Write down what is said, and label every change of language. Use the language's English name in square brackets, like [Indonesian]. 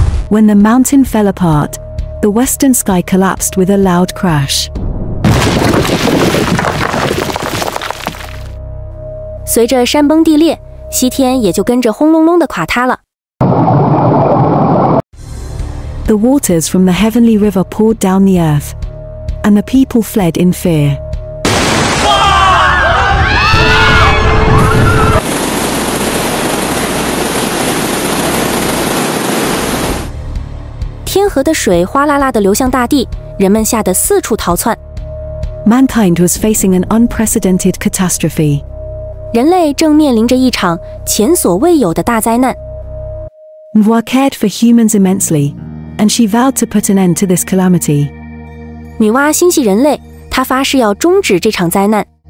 [English] When the mountain fell apart, the western sky collapsed with a loud crash. [Chinese] 随着山崩地裂，西天也就跟着轰隆隆的垮塌了。 [English] The waters from the heavenly river poured down the earth, and the people fled in fear. [Chinese] 天河的水哗啦啦地流向大地，人们吓得四处逃窜。 [English] Mankind was facing an unprecedented catastrophe. [Chinese] 人类正面临着一场前所未有的大灾难。 [English] Nuwa cared for humans immensely, and she vowed to put an end to this calamity. [Chinese] 女娲心系人类，她发誓要终止这场灾难。